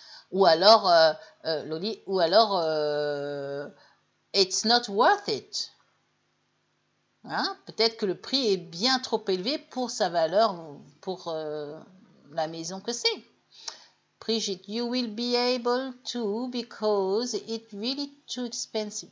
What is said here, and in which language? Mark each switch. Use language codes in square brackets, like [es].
[fr] Ou alors, Loli, ou alors, [en] it's not worth it. Hein? [fr] Peut-être que le prix est bien trop élevé pour sa valeur, pour la maison que c'est. [en] Brigitte, you will be able to because it's really too expensive.